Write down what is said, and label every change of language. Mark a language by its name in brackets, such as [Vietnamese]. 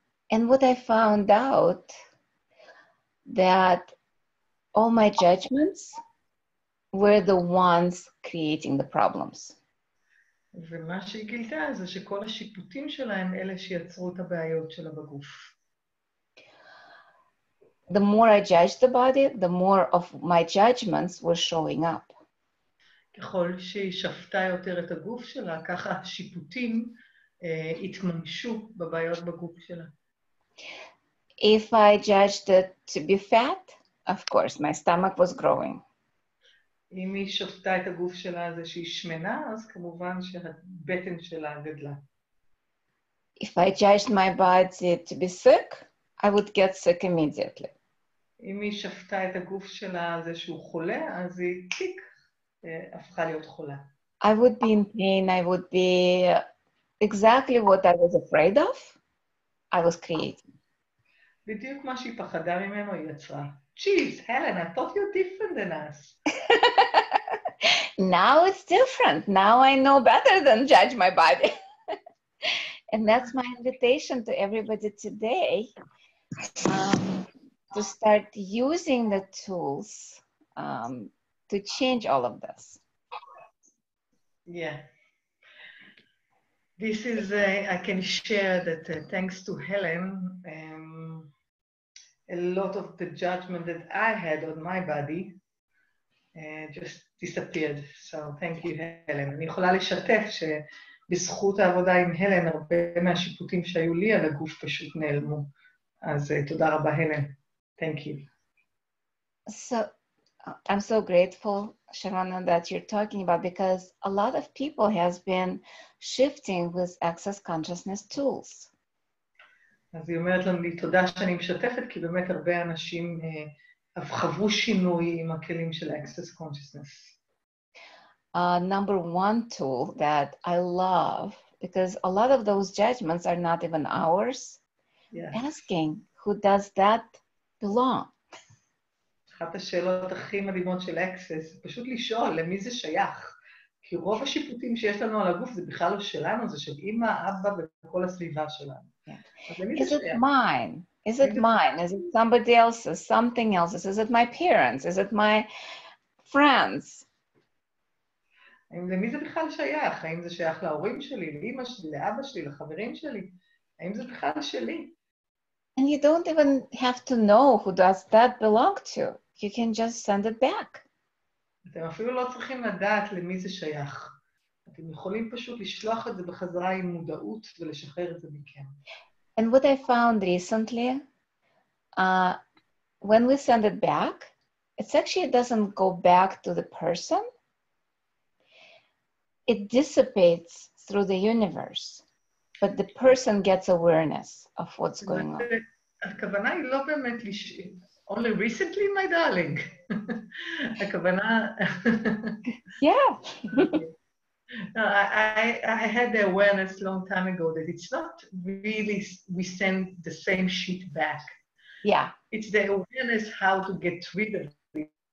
[English] And what I found out that all my judgments were the ones creating the problems. [Hebrew] ומה שהיא גילתה זה שכל השיפוטים שלה הם אלה שיצרו את הבעיות שלה בגוף. [English] The more I judged the body, the more of my judgments were showing up. [Hebrew] ככל שהיא שפטה יותר את הגוף שלה, ככה השיפוטים התממשו בבעיות בגוף שלה. [English] If I judged it to be fat, of course, my stomach was growing. [Hebrew] אם היא שפטה את הגוף שלה הזה שהיא שמנה, אז כמובן שהבטן שלה גדלה. [English] If I judged my body to be sick, I would get sick immediately. [Hebrew] אם היא שפטה את הגוף שלה הזה שהוא חולה, אז היא קיק, הפכה להיות חולה. [English] I would be in pain, I would be exactly what I was afraid of, I was creating. [Hebrew] בדיוק מה שהיא פחדה ממנו היא יצרה. [English] Jeez, Helen, I thought you're different than us. Now it's different. Now I know better than judge my body. And that's my invitation to everybody today to start using the tools to change all of this. Yeah. This is, I can share that thanks to Helen, a lot of the judgment that I had on my body just disappeared. So thank you, Helen. [Hebrew] אני יכולה לשתף שבזכות העבודה עם הלן, הרבה מהשיפוטים שהיו לי על הגוף פשוט נעלמו. אז תודה רבה, הלן. [English] Thank you. So I'm so grateful, Sharana, that you're talking about, because a lot of people has been shifting with access consciousness tools. [Hebrew] אז היא אומרת לנו, תודה שאני משתפת, כי באמת הרבה אנשים חוו שינוי עם הכלים של Access Consciousness. [English] Number one tool that I love, because a lot of those judgments are not even ours, yes. Asking, who does that belong? [Hebrew] אחת השאלות הכי מדהימות של Access, פשוט לשאול, למי זה שייך? כי רוב השיפוטים שיש לנו על הגוף זה בכלל לא שלנו, זה של אמא, אבא וכל הסביבה שלנו. [English] Is it mine? Is it mine? Is it somebody else's? Something else's? Is it my parents? Is it my friends? [Hebrew] האם למי זה בכלל שייך? האם זה שייך להורים שלי, לאמא שלי, לאבא שלי, לחברים שלי? האם זה בכלל שלי? [English] And you don't even have to know who does that belong to. You can just send it back. [Hebrew] אתם אפילו לא צריכים לדעת למי זה שייך. אתם יכולים פשוט לשלוח את זה בחזרה עם מודעות ולשחרר את זה מכם. [English] And what I found recently, when we send it back, it's actually, it doesn't go back to the person. It dissipates through the universe, but the person gets awareness of what's going on. [Hebrew] הכוונה היא לא באמת, [English] only recently, my darling. [Hebrew] הכוונה... [English] Yeah. No, I had the awareness long time ago that it's not really we send the same shit back. Yeah. It's the awareness how to get rid of it.